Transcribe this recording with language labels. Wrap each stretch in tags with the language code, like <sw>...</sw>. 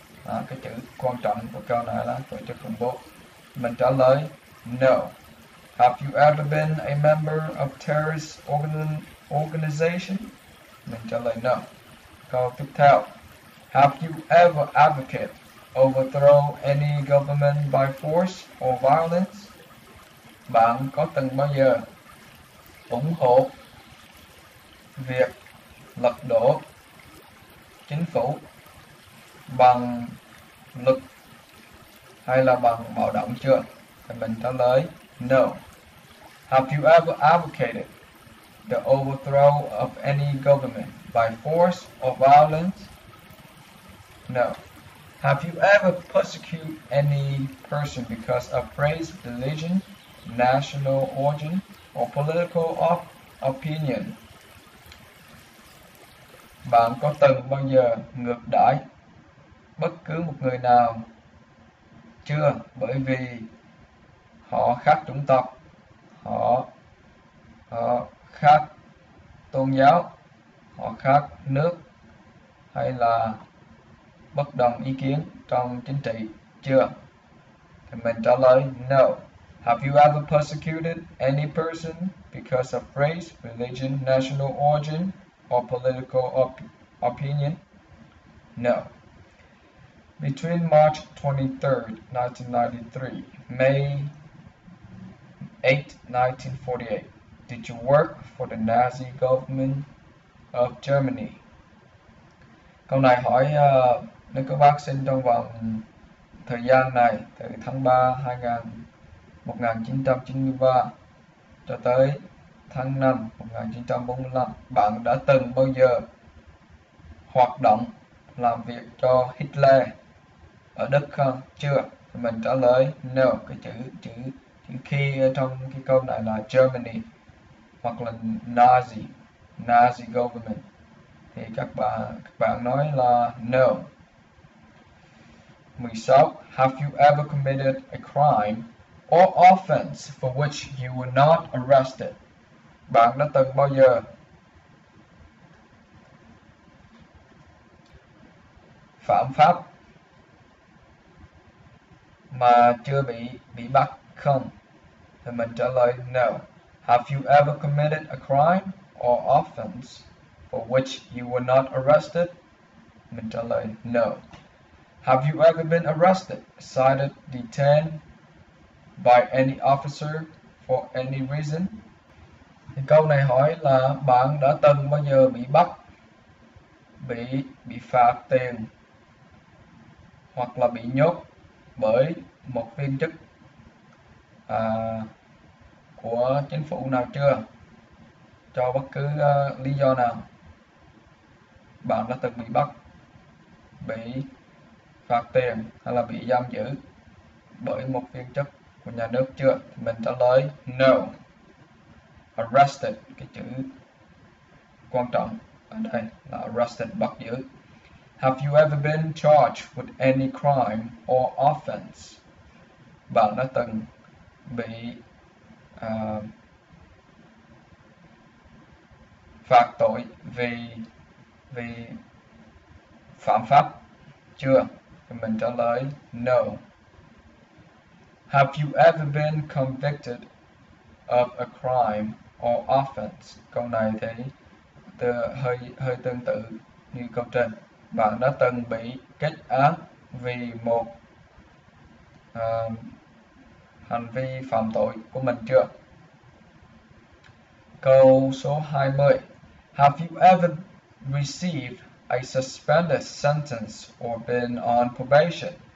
<vi>Cái chữ quan trọng của câu này là tổ chức khủng bố. Mình trả lời no.</vi> <en>Have you ever been a member of terrorist organization?</en> <vi>Mình trả lời no. Câu tiếp theo.</vi> <en>Have you ever advocate overthrow any government by force or violence?</en> <vi>Bạn có từng bao giờ ủng hộ việc lật đổ chính phủ bằng lực hay là bằng bạo động chưa? Thì mình trả lời no.</vi> <en>Have you ever advocated the overthrow of any government by force or violence? No. Have you ever persecuted any person because of race, religion, national origin, or political opinion?</en> <vi>Bạn có từng bao giờ ngược đãi bất cứ một người nào chưa? Bởi vì họ khác chủng tộc, họ khác tôn giáo, họ khác nước, hay là bất đồng ý kiến trong chính trị chưa? Thì mình trả lời no.</vi> <en>Have you ever persecuted any person because of race, religion, national origin, or political opinion? No. Between March 23rd, 1993, May 8, 1948, did you work for the Nazi government of Germany?</en> <vi>Câu này hỏi nếu các bác sinh trong vòng thời gian này, từ tháng 3, 1993 cho tới tháng 5, 1945, bạn đã từng bao giờ hoạt động làm việc cho Hitler ở Đức không? Chưa? Thì mình trả lời no. Cái chữ chữ chữ khi trong cái câu này là Germany hoặc là Nazi, Nazi government. Thì các bạn nói là no. 16.</vi> <en>Have you ever committed a crime or offense for which you were not arrested?</en> <vi>Bạn đã từng bao giờ phạm pháp mà chưa bị bắt không? Thì mình trả lời no.</vi> <en>Have you ever committed a crime or offense for which you were not arrested?</en> <vi>Mình trả lời no.</vi> <en>Have you ever been arrested, cited, detained by any officer for any reason?</en> <vi>Thì câu này hỏi là bạn đã từng bao giờ bị bắt, bị phạt tiền hoặc là bị nhốt bởi một viên chức của chính phủ nào chưa, cho bất cứ lý do nào? Bạn đã từng bị bắt, bị phạt tiền hay là bị giam giữ bởi một viên chức của nhà nước chưa? Thì mình trả lời no. Arrested, cái chữ quan trọng ở đây là arrested, bắt giữ.</vi> <en>Have you ever been charged with any crime or offense?</en> <vi>Bạn đã từng bị phạt tội vì phạm pháp chưa? Thì mình trả lời no.</vi> <en>Have you ever been convicted of a crime or offense?</en> <vi>Câu này thì hơi tương tự như câu trên. Bạn đã từng bị kết án vì một hành vi phạm tội của mình chưa? Câu số 20.</vi> <en>Have you ever received a suspended sentence or been on probation?</en>